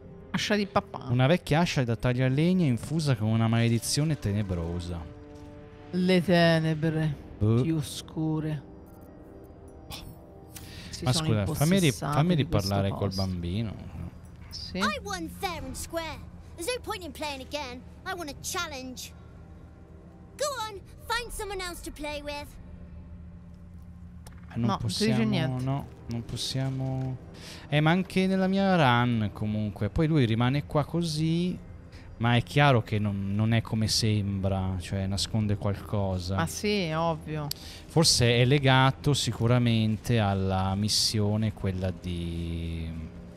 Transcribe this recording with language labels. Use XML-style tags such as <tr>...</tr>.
<it>Ascia di papà. Una vecchia ascia da taglia legna infusa con una maledizione tenebrosa. Le tenebre più scure. Oh. Ma scusa, fammi riparlare col bambino.</it> <en>I won fair and square. There's no point in playing again. I want a challenge. Go on, find someone else to play with.</en> <it>Non no, possiamo, no, non possiamo. Ma anche nella mia run, comunque. Poi lui rimane qua così. Ma è chiaro che non è come sembra. Cioè, nasconde qualcosa. Ma sì, è ovvio. Forse è legato sicuramente alla missione, quella di.</it>